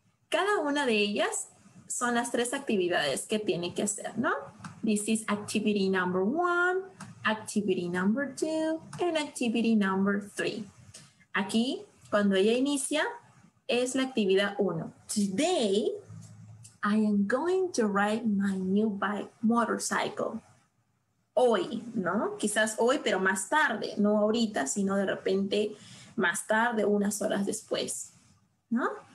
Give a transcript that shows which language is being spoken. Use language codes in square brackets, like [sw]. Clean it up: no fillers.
[es] Cada una de ellas son las tres actividades que tiene que hacer, ¿no? [en] This is activity number one, activity number two, and activity number three. [es] Aquí, cuando ella inicia, es la actividad uno. [en] Today, I am going to ride my new bike motorcycle. [es] Hoy, ¿no? Quizás hoy, pero más tarde. No ahorita, sino de repente más tarde, unas horas después, ¿no?